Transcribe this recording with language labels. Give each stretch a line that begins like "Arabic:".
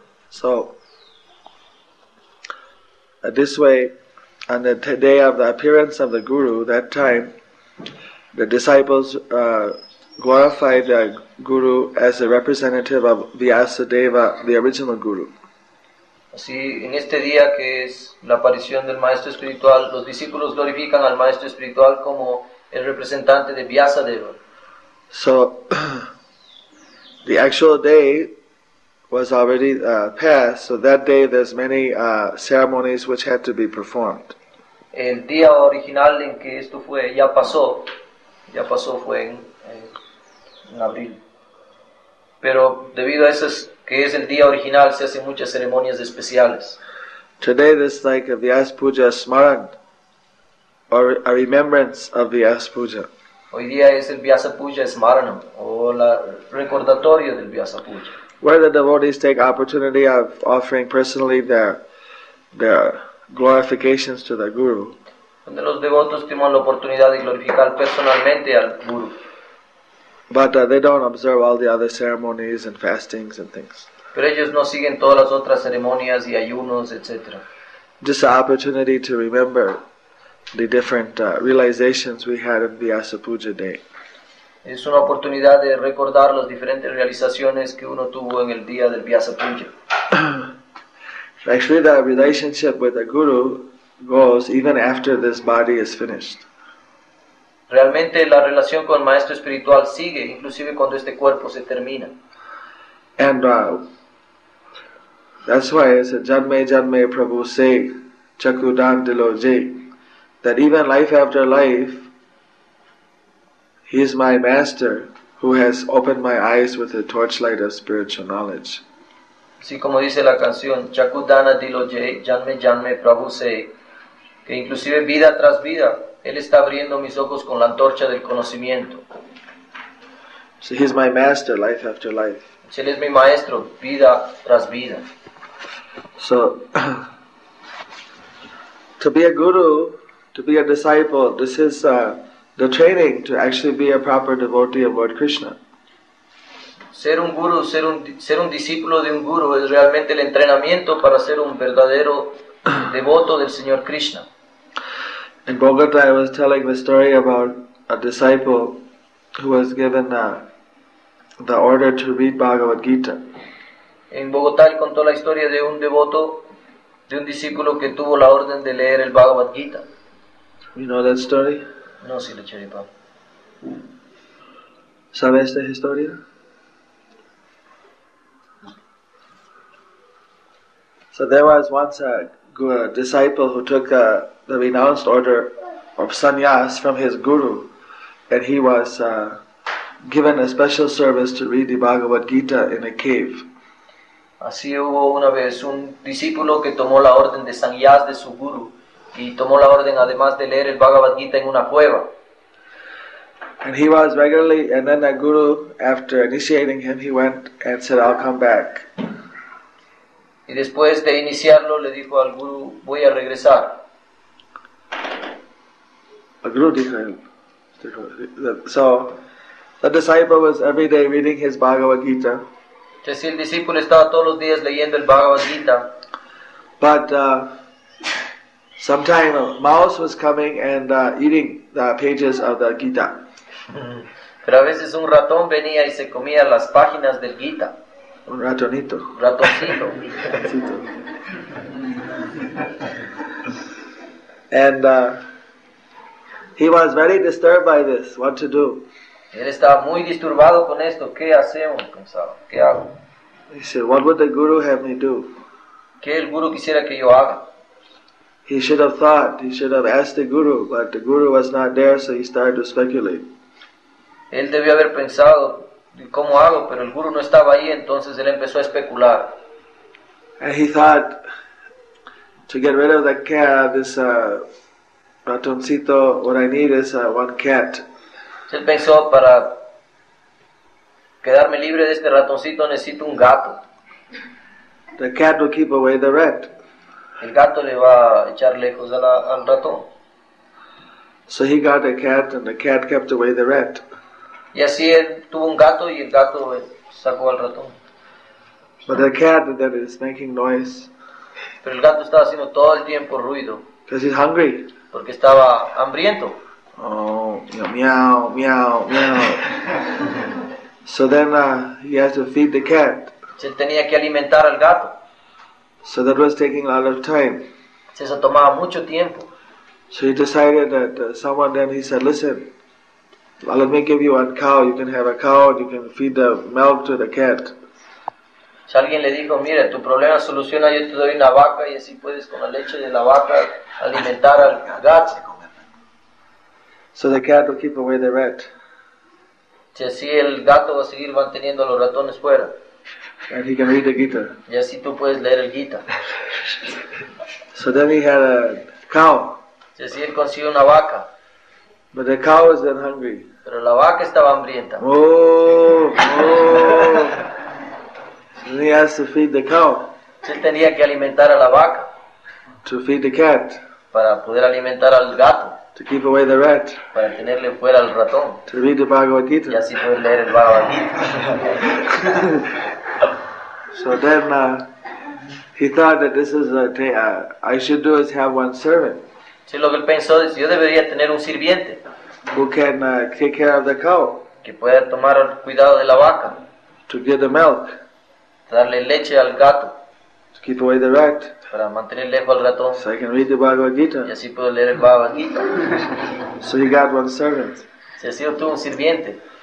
English: So, this way, on the day of the appearance of the guru, that time, the disciples glorified the guru as a representative of Vyasadeva, the original guru.
Spanish: Así, en este día que es la aparición del maestro espiritual, los discípulos glorifican al maestro espiritual como el representante de Vyasadeva.
English: So, the actual day was already passed, so that day there's many ceremonies which had to be performed.
Spanish: El día original en que esto fue, ya pasó, fue en abril. Pero debido a eso que es el día original, se hacen muchas ceremonias especiales.
English: Today there's like a Vyas Puja Smaran, or a remembrance of Vyas Puja.
Spanish: Hoy día es el Vyasa Puja Smaranam, o la recordatorio del Vyasa Puja.
English: Where the devotees take opportunity of offering personally their glorifications to the guru.
Spanish: Donde los devotos toman la oportunidad de glorificar personalmente al guru.
English: But they don't observe all the other ceremonies and fastings and things.
Spanish: Pero ellos no siguen todas las otras ceremonias y ayunos, etc.
English: Just an opportunity to remember the different realizations we had in Vyasa Puja Day.
Spanish: Es una oportunidad de recordar las diferentes realizaciones que uno tuvo en el día del Vyasa Puja.
English: Actually, the relationship with the guru goes even after this body is finished.
Spanish: Realmente la relación con el maestro espiritual sigue, inclusive cuando este cuerpo se termina.
English: And that's why it's a
Bangla: janme prabhu se chakudan diloje,
English: that even life after life, he is my master who has opened my eyes with the torchlight of spiritual knowledge.
Spanish: Así como dice la canción,
Bangla: chakudana diloje, janme janme prabhu se,
Spanish: que inclusive vida tras vida, él está abriendo mis ojos con la antorcha del conocimiento.
English: So he's my master, life after life.
Spanish: Él es mi maestro, vida tras vida.
English: So, to be a guru, to be a disciple, this is the training to actually be a proper devotee of Lord Krishna.
Spanish: Ser un guru, ser un discípulo de un guru, es realmente el entrenamiento para ser un verdadero devoto del Señor Krishna.
English: In Bogota, I was telling the story about a disciple who was given the order to read Bhagavad Gita.
Spanish: En Bogotá, él contó la historia de un devoto, de un discípulo que tuvo la orden de leer el Bhagavad Gita.
English: You know that story?
Spanish: No, sí, le chévere, Pablo. ¿Sabe esta historia?
English: So there was once a disciple who took the renounced order of sannyas from his guru, and he was given a special service to read the Bhagavad Gita in a cave.
Spanish: Así hubo una vez un discípulo que tomó la orden de sannyas de su guru y tomó la orden además de leer el Bhagavad Gita en una cueva.
English: And he was regularly, and then the guru, after initiating him, he went and said, "I'll come back."
Spanish: Y después de iniciarlo, le dijo al guru, "Voy a regresar."
English: The guru
Spanish: dijo,
English: so the disciple was every day reading his Bhagavad Gita.
Spanish: Que si el discípulo estaba todos los días leyendo el Bhagavad Gita.
English: But sometime a mouse was coming and eating the pages of the Gita.
Spanish: Pero a veces un ratón venía y se comía las páginas del Gita. Un ratonito. Ratoncito.
English: And he was very disturbed by this. What to do?
Spanish: Él estaba muy disturbado con esto. ¿Qué hacemos? Pensaba. ¿Qué hago?
English: He said, "What would the guru have me do?"
Spanish: ¿Qué el guru quisiera que yo haga?
English: He should have thought. He should have asked the guru, but the guru was not there, so he started to speculate.
Spanish: Él debió haber pensado, ¿cómo hago? Pero el guru no estaba ahí, entonces él empezó a especular.
English: And he thought, to get rid of the cat, this
Spanish: ratoncito,
English: what I need is one cat.
Spanish: Él pensó, para quedarme libre de este ratoncito, necesito un gato.
English: The cat will keep away the rat.
Spanish: El gato le va a echar lejos al ratón.
English: So he got a cat, and the cat kept away the rat.
Spanish: Y así él tuvo un gato y el gato sacó al ratón.
English: But the cat that is making noise.
Spanish: Pero el gato estaba haciendo todo el tiempo ruido.
English: Because he's hungry.
Spanish: Porque estaba hambriento.
English: Oh, meow, meow, meow. So then he has to feed the cat.
Spanish: Se tenía que alimentar al gato.
English: So that was taking a lot of time.
Spanish: Se eso tomaba mucho tiempo.
English: So he decided that someone then he said, "Listen, well, let me give you one cow. You can have a cow and you can feed the milk to the cat."
Spanish: Si alguien le dijo, "Mira, tu problema soluciona, yo te doy una vaca y así puedes con la leche de la vaca alimentar al gato."
English: So the cat will keep away the rat.
Spanish: Si así el gato va a seguir manteniendo a los ratones fuera.
English: And he can read the Gita.
Spanish: Y así tú puedes leer el Gita.
English: So then he had a cow.
Spanish: Si así él consiguió una vaca.
English: But the cow was then hungry.
Spanish: Pero la vaca estaba hambrienta.
English: Oh, oh. So he has to feed the cow.
Spanish: Él tenía que alimentar a la vaca.
English: To feed the cat.
Spanish: Para poder alimentar al gato.
English: To keep away the rat.
Spanish: Para tenerle fuera al ratón.
English: To read the Bhagavad Gita.
Spanish: Y así poder leer el Bhagavad Gita.
English: So then he thought that this is a thing I should do is have one servant.
Spanish: Sí, lo que él pensó es, yo debería tener un sirviente.
English: Who can take care of the cow.
Spanish: Que pueda tomar cuidado de la vaca.
English: To give the milk.
Spanish: Darle leche al gato.
English: To keep away the rat.
Spanish: Para mantener lejos al ratón.
English: So I can read the Bhagavad Gita.
Spanish: Y así puedo leer el Bhagavad Gita.
English: So he got one servant.
Spanish: Sí, así obtuvo un sirviente.